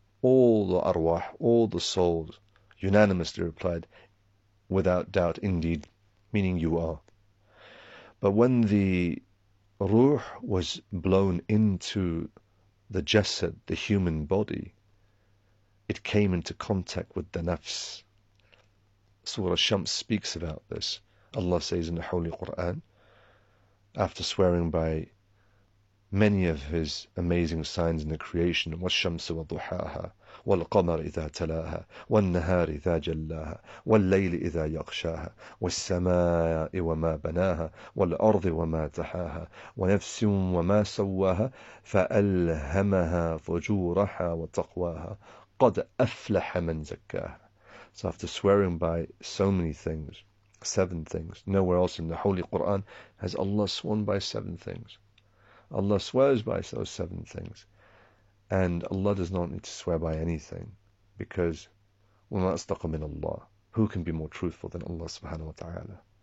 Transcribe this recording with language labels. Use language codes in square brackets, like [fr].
[en] All the arwah, all the souls, unanimously replied, without doubt, indeed, meaning you are. But when the ruh was blown into the jasad, the human body, it came into contact with the nafs. Surah Shams speaks about this. Allah says in the Holy Quran, after swearing by many of his amazing signs in the creation, [ar] وَالشَّمْسُ وَضُحَاهَا وَالْقَمَرِ إِذَا تَلَاهَا وَالنَّهَارِ إِذَا جَلَّاهَا وَاللَّيْلِ إِذَا يَغْشَاهَا وَالسَّمَاءِ وَمَا بَنَاهَا وَالْأَرْضِ وَمَا تَحَاهَا وَنَفْسٍ وَمَا سَوَّاهَا فَأَلْهَمَهَا فُجُورَهَا وَتَقْوَاهَا قَدْ أَفْلَحَ مَنْ زَكَّاهَا. [en] So after swearing by so many things, seven things, nowhere else in the Holy Quran has Allah sworn by seven things. Allah swears by those seven things. And Allah does not need to swear by anything, because [ar] وما أصدق من الله. [en] Who can be more truthful than Allah subhanahu wa ta'ala?